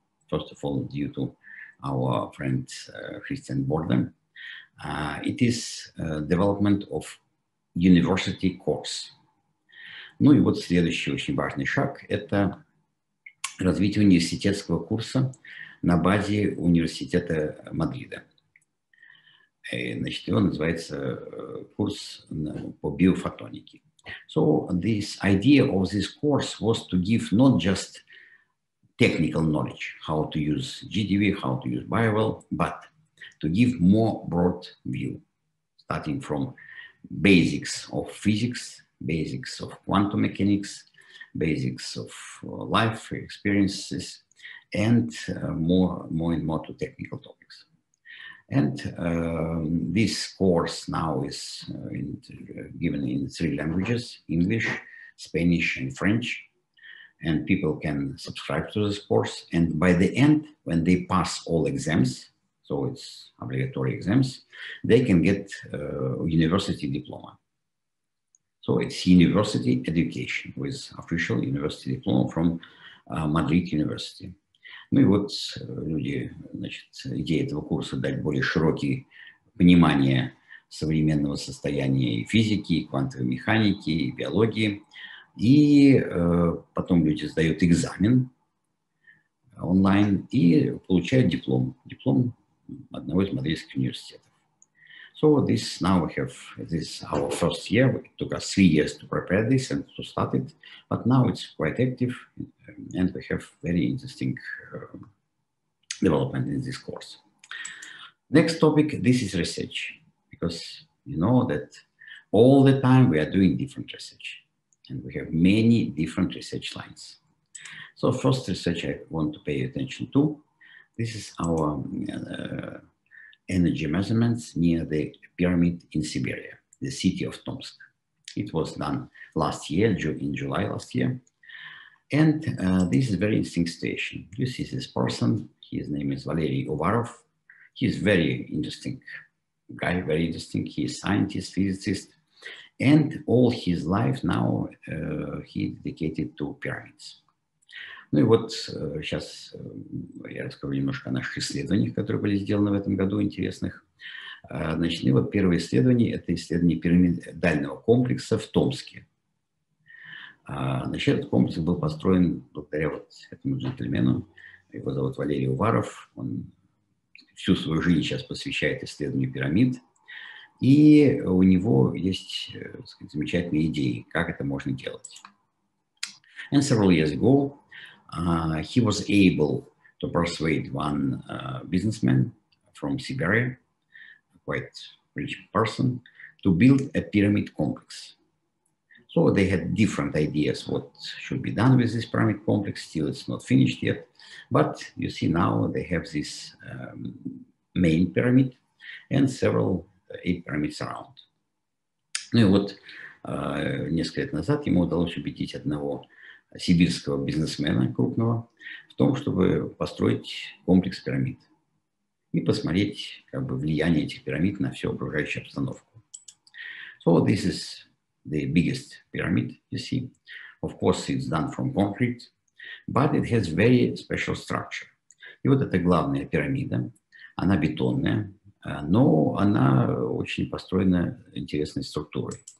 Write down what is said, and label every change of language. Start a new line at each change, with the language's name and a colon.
English: First of all, due to our friend Christian Borden, it is development of university course.
Russian: Ну и вот следующий очень важный шаг – это развитие университетского курса на базе университета Мадрида. Значит, его называется курс по биофотонике.
English: So this idea of this course was to give not just technical knowledge, how to use GDV, how to use BioWell, but to give more broad view, starting from basics of physics, basics of quantum mechanics, basics of life experiences, and more and more to technical topics. And this course now is given in three languages, English, Spanish, and French. And people can subscribe to this course. And by the end, when they pass all exams, so it's obligatory exams, they can get a university diploma. So it's university education with official university diploma from Madrid University.
Russian: Ну и вот люди, значит, идея этого курса – дать более широкое понимание современного состояния и физики, и квантовой механики, и биологии. И потом люди сдают экзамен онлайн и получают диплом одного из мадридских университетов.
English: So this now we have, this is our first year, it took us 3 years to prepare this and to start it, but now it's quite active and we have very interesting development in this course. Next topic, this is research, because you know that all the time we are doing different research and we have many different research lines. So first research I want to pay attention to, this is our energy measurements near the pyramid in Siberia, the city of Tomsk. It was done last year, in July last year. And this is a very interesting situation. You see this person, his name is Valery Uvarov. He's a very interesting guy, very interesting. He's a scientist, physicist. And all his life now he dedicated to pyramids.
Russian: Ну и вот сейчас я расскажу немножко о наших исследованиях, которые были сделаны в этом году, интересных. начали вот первое исследование, это исследование пирамидального комплекса в Томске. Значит, этот комплекс был построен благодаря вот этому джентльмену, его зовут Валерий Уваров, он всю свою жизнь сейчас посвящает исследованию пирамид, и у него есть, сказать, замечательные идеи, как это можно делать.
English: And several years ago, he was able to persuade one businessman from Siberia, quite rich person, to build a pyramid complex. So they had different ideas what should be done with this pyramid complex. Still, it's not finished yet. But you see now they have this main pyramid and several eight pyramids around.
Russian: Ну и вот несколько лет назад ему удалось убедить одного сибирского бизнесмена крупного в том, чтобы построить комплекс пирамид и посмотреть, как бы, влияние этих пирамид на всю окружающую обстановку.
English: So this is the biggest pyramid, you see. Of course, it's done from concrete, but it has very special structure.
Russian: И вот эта главная пирамида, она бетонная, но она очень построена интересной структурой.